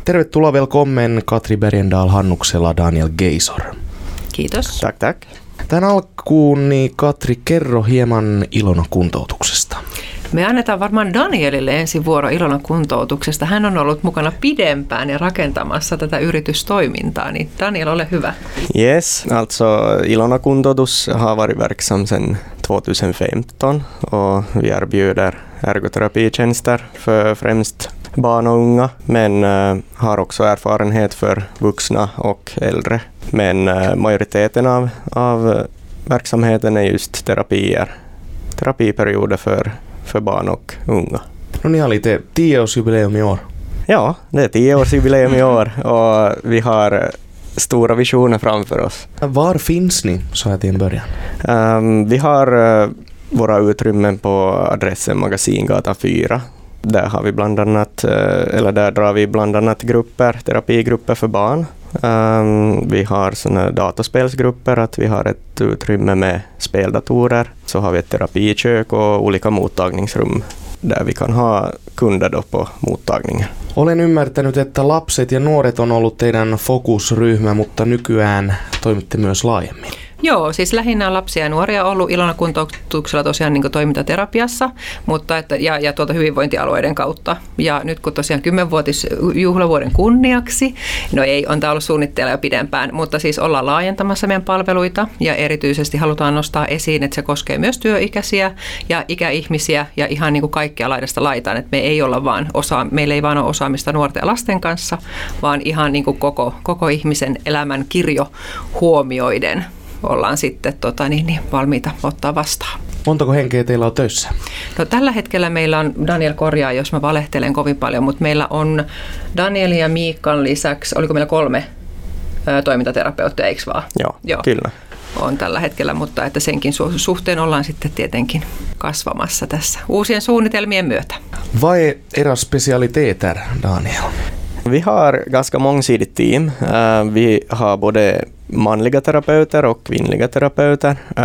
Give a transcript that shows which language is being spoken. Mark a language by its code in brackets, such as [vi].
[fi] Tervetuloa velkommen Katri Bergendahl, Hannuksella, Daniel Geisor. Kiitos. [sv] Tak, tak. [fi] Tän alkuun niin Katri, kerro hieman Ilona Kuntoutuksesta. Me annetaan varmaan Danielille ensi vuoro Ilona Kuntoutuksesta. Hän on ollut mukana pidempään ja rakentamassa tätä yritystoimintaa, niin Daniel, ole hyvä. [sv] Yes, alltså Ilona Kuntoutus har varit verksam sen 2015 och vi erbjuder ergoterapitjänster för främst barn och unga, men har också erfarenhet för vuxna och äldre. Men majoriteten av verksamheten är just terapier, terapiperioder för barn och unga. No niin, oli det 10-årsjubileum i år. Ja, det är 10-årsjubileum i år och vi har stora visioner framför oss. Var finns ni, sa jag till en början? Vi har våra utrymmen på adressen Magasingatan 4. Där har vi bland annat, eller där drar vi bland annat grupper, terapigrupper för barn. Vi har såna dataspelsgrupper, att vi har ett utrymme med speldatorer. Så har vi ett terapikök och olika mottagningsrum där vi kan ha kunder då på mottagningen. [fi] Olen ymmärtänyt, että lapset ja nuoret on ollut teidän fokusryhmä, mutta nykyään toimitte myös laajemmin. Joo, siis lähinnä lapsia ja nuoria on ollut Ilona Kuntoutuksella tosiaan niin kuin toimintaterapiassa, mutta että, ja tuolta hyvinvointialueiden kautta. Ja nyt kun tosiaan 10-vuotisjuhlavuoden kunniaksi, no ei, on tämä ollut suunnitteilla jo pidempään, mutta siis ollaan laajentamassa meidän palveluita ja erityisesti halutaan nostaa esiin, että se koskee myös työikäisiä ja ikäihmisiä ja ihan niin kuin kaikkia laidasta laitaan, että me ei olla vaan meillä ei vaan ole osaamista nuorten ja lasten kanssa, vaan ihan niin kuin koko ihmisen elämän kirjo huomioiden. Ollaan sitten valmiita ottaa vastaan. Montako henkeä teillä on töissä? No, tällä hetkellä meillä on, Daniel korjaa, jos mä valehtelen kovin paljon, mutta meillä on Danielin ja Miikan lisäksi, oliko meillä 3 toimintaterapeuttia, eikö vaan? Joo, kyllä. On tällä hetkellä, mutta että senkin suhteen ollaan sitten tietenkin kasvamassa tässä uusien suunnitelmien myötä. [sv] Vai eräs specialiteter, Daniel? Vi har ganska mångsidigt team. Vi har både manliga terapeuter och kvinnliga terapeuter.